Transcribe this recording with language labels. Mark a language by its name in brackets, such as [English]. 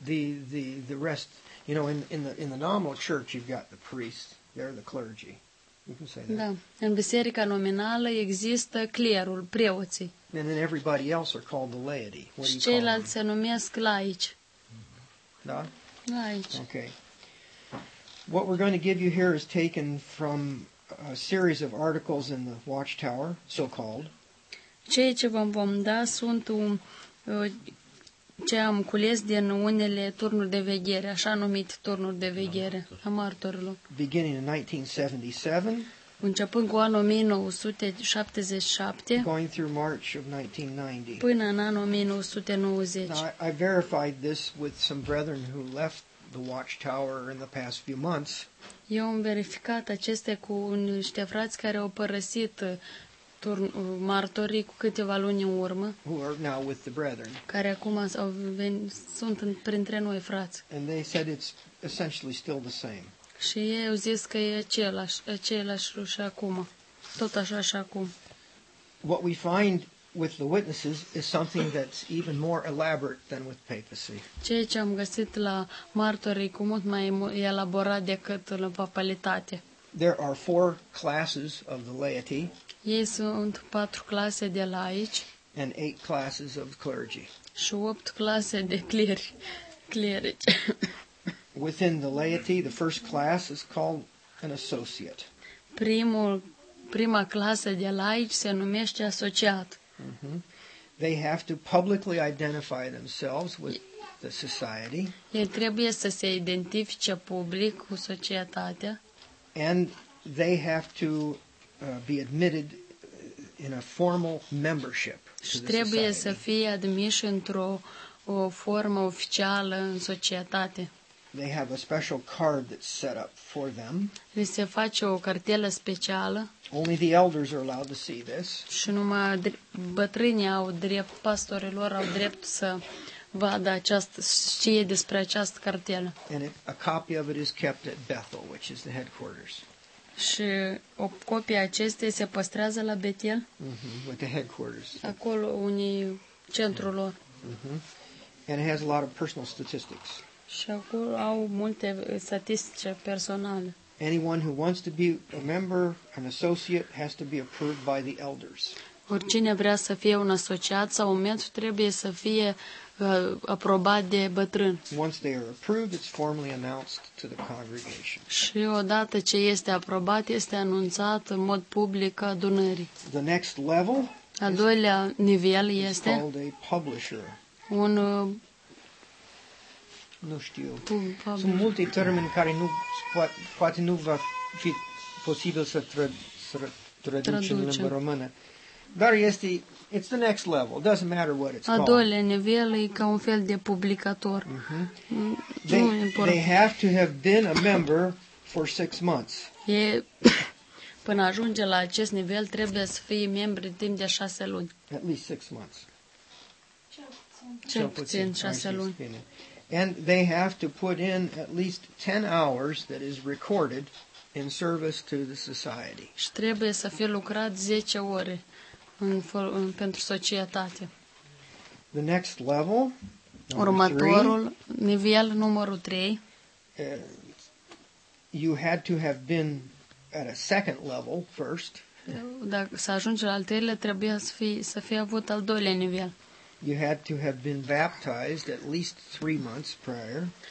[English] The rest, you know, in the nominal church you've got the priests, they're the clergy. [Romanian] Da. În biserica nominală există clerul, preoții. [English] And then everybody else are called the laity. What do you call them? [Romanian] Ceilalți se numesc laici. Da? Laici. [English] Okay. What we're going to give you here is taken from a series of articles in the Watchtower, so-called. [Romanian] Ceea ce vom da sunt ce am cules din unele turnuri de veghere, așa numit turnuri de veghere a martorilor. [English] Beginning in 1977. [Romanian] Începând cu anul 1977. [English] Going through March of 1990. [Romanian] Până în anul 1990. [English] Now, I verified this with some brethren who left the Watchtower in the past few months. [Romanian] Eu am verificat aceste cu niște frați care au părăsit martorii cu câteva luni în urmă, [English] who are now with the brethren. [Romanian] Care acum sunt printre noi frați. [English] And they said it's essentially still the same. [Romanian] Și ei au zis că e același lucru și acum, tot așa și acum. [English] What we find with the witnesses is something that's even more elaborate than with papacy. [Romanian] Ceea ce am găsit la martorii cu mult mai elaborat decât la papalitate. [English] There are four classes of the laity. [Romanian] Ei sunt patru clase de laici. [English] And eight classes of clergy. [Romanian] Și opt clase de clerici. [English] Within the laity, the first class is called an associate. [Romanian] Prima clasă de laici se numește asociat. Mm-hmm. [English] They have to publicly identify themselves with the society. [Romanian] Ei trebuie să se identifice public cu societatea. [English] And they have to be admitted in a formal membership to the society. [Romanian] Trebuie să fie admiși într-o formă oficială în societate. [English] They have a special card that's set up for them. [Romanian] Li se face o cartelă specială. [English] Only the elders are allowed to see this. [Romanian] Și numai bătrânii au drept, pastorilor au drept să vadă această, știe despre această cartelă. [English] And a copy of it is kept at Bethel, which is the headquarters. [Romanian] Și o copie acestei se păstrează la Bethel. [English] Mm-hmm. With the headquarters. [Romanian] Acolo unii centrul lor. Mm-hmm. [English] And it has a lot of personal statistics. [Romanian] Și acolo au multe statistici personale. [English] Anyone who wants to be a member, an associate, has to be approved by the elders. [Romanian] Oricine vrea să fie un asociat sau un membru trebuie să fie aprobat de bătrân. [English] Once they are approved, it's formally announced to the congregation. [Romanian] Și odată ce este aprobat, este anunțat în mod public adunării. [English] The next level, [Romanian] al doilea nivel este [English] called a publisher. [Romanian] Un nu știu. Sunt multe termeni care nu poate nu va fi posibil să traduce în limba română. Dar este, [English] it's the next level. It doesn't matter what it's called. [Romanian] A doilea nivel e ca un fel de publicator. Mm-hmm. [English] They have to have been a member for 6 months. [Romanian] Până ajunge la acest nivel, trebuie să fie membri timp de 6 luni. [English] At least 6 months. [Romanian] Cel puțin 6 luni. [English] And they have to put in at least 10 hours that is recorded in service to the society. [Romanian] Și trebuie să fie lucrat 10 ore pentru societate. [English] The next level, [Romanian] următorul nivel, numărul 3. [English] You had to have been at a second level first. [Romanian] Dacă să ajungi la al treilea, trebuie să fie avut al doilea nivel. [English] You had to have been baptized at least 3 months prior.